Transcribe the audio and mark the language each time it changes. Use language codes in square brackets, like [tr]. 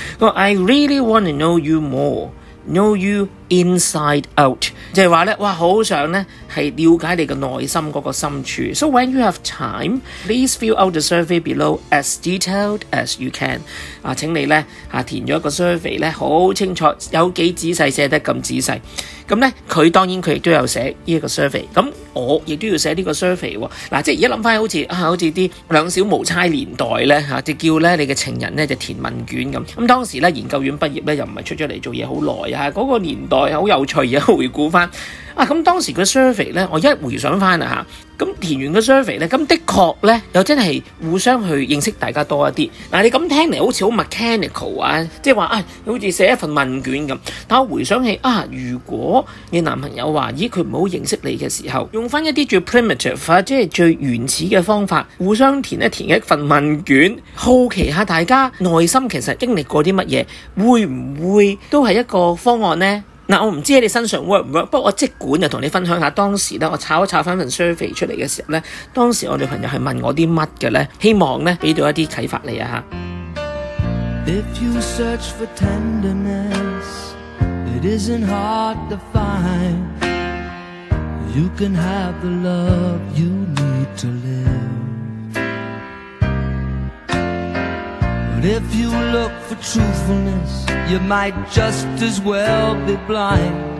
[yue] 佢话 [en] I really want to know you more。 Know you inside out， [yue] 就是说呢，哇，好想呢是了解你的内心那个深处。 [en] So when you have time， please fill out the survey below as detailed as you can， [yue] 请你呢填了一个 survey 呢，好清楚，有几仔细，写得咁仔细。咁呢佢当然佢亦都有写呢个 survey， 咁我亦都要写呢个 survey 喎。嗱，即係而家諗返好似啲两小无猜年代呢，就叫呢你嘅情人呢就填问卷咁。咁当时呢研究院毕业呢又唔係出咗嚟做嘢好耐呀，嗰个年代好有趣呀，回顾返。啊，咁当时个 survey 呢，我一回想返啦，咁填完个 survey 呢，咁的确呢又真係互相去认识大家多一啲。嗱，你咁听嚟好似好 mechanical 啊，即係话啊，好似写一份问卷咁。但我回想起啊，如果你男朋友话咦佢唔好认识你嘅时候，用返一啲最 primitive 啊，即係最原始嘅方法，互相填一填一份问卷，好奇下大家内心其实经历过啲乜嘢，会唔会都系一个方案呢？我唔知喺你身上 work 唔 work， 不过我即管就同你分享下当时呢，我抄一抄返份 survey 出嚟嘅时候呢，当时我女朋友系问我啲乜嘅呢，希望呢俾到一啲启发你呀。 [en] If you search for tenderness, it isn't hard to find. You can have the love you need to live. But if you look for truthfulness,You might just as well be blind.